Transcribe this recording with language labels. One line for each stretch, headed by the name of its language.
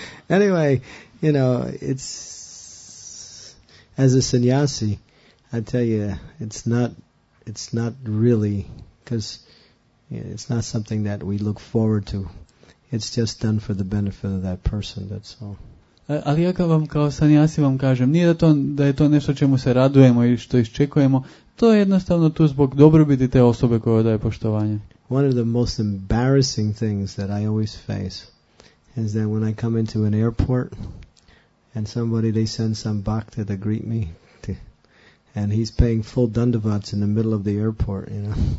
English: Anyway, you know, it's as a sannyasi, I tell you, it's not really, because it's not something that we look forward to. It's just done for the benefit of that person. That's all.
Croatian: Ali ja vam kao sannyasi vam kažem, nije da je to nešto čemu se radujemo ili što iščekujemo. To je jednostavno tu zbog dobrobiti te osobe koja daje poštovanje.
English: One of the most embarrassing things that I always face is that when I come into an airport and somebody, they send some bhakta to greet me, and he's paying full dandavats in the middle of the airport, you know.